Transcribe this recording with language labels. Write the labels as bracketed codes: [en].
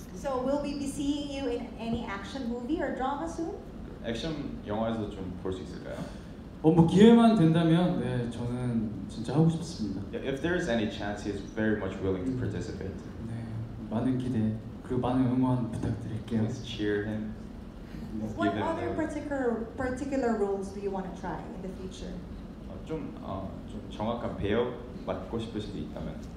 [en] So will we be seeing you in any action movie or drama soon? [ko] 액션 영화에서 좀 볼 수 있을까요? 뭐 기회만 된다면 네 저는 진짜 하고 싶습니다. [en] Yeah, if there is any chance, he is very much willing to participate. [ko] 네, 많은 기대 그리고 많은 응원 부탁드릴게요. [en] Please cheer him. What other particular roles do you want to try in the future? [ko] 좀 정확한 배역 맡고 싶을 수도 있다면.